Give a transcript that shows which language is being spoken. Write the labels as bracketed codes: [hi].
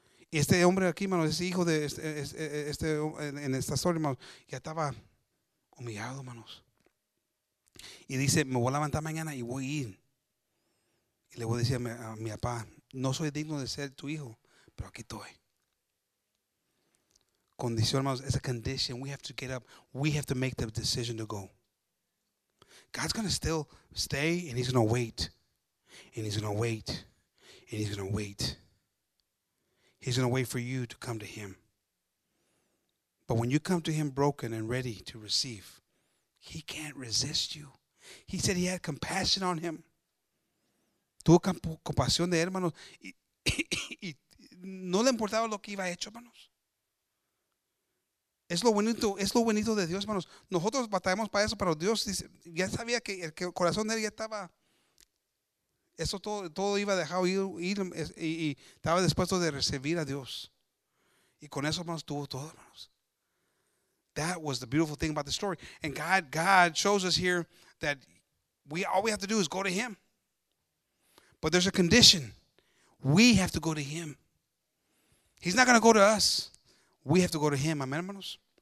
[es] Y este hombre aquí, hermanos, es hijo de este en esta historia, hermanos, ya estaba humillado, hermanos. Y dice, me voy a levantar mañana y voy a ir. Y le voy a decir a mi papá, no soy digno de ser tu hijo, pero aquí estoy. Condición, hermanos, [en] it's a condition. We have to get up. We have to make the decision to go. God's going to still stay, and he's going to wait. And he's going to wait. And he's going to wait. He's going to wait for you to come to him. But when you come to him broken and ready to receive, he can't resist you. He said he had compassion on him. [es] Tuvo compasión de él, hermanos, y no le importaba lo que iba hecho, hermanos. Es lo bonito de Dios, hermanos. Nosotros batallamos para eso, pero Dios dice, ya sabía que el corazón de él ya estaba, eso todo iba dejado ir y estaba dispuesto de recibir a Dios. Y con eso, hermanos, tuvo todo, hermanos. [en] That was the beautiful thing about the story. And God shows us here that all we have to do is go to him. But there's a condition. We have to go to him. He's not going to go to us. We have to go to him. Amen, hermanos.